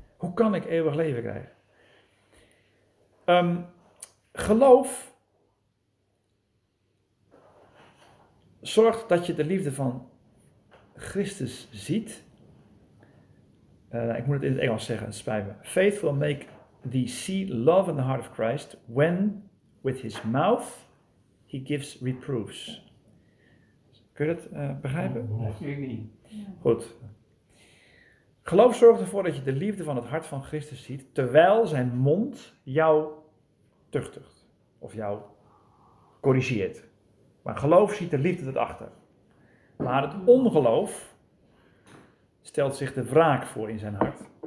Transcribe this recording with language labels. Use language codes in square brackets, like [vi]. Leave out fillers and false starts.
[nl] Hoe kan ik eeuwig leven krijgen? Geloof zorgt dat je de liefde van Christus ziet. Ik moet het in het Engels zeggen, het spijt me. [en] Faith will make thee see love in the heart of Christ when with his mouth he gives reproofs. [nl] Kun je dat begrijpen? Nee, niet. Goed. Geloof zorgt ervoor dat je de liefde van het hart van Christus ziet, terwijl zijn mond jou tuchtigt of jou corrigeert. Maar geloof ziet de liefde erachter. Maar het ongeloof stelt zich de wraak voor in zijn hart.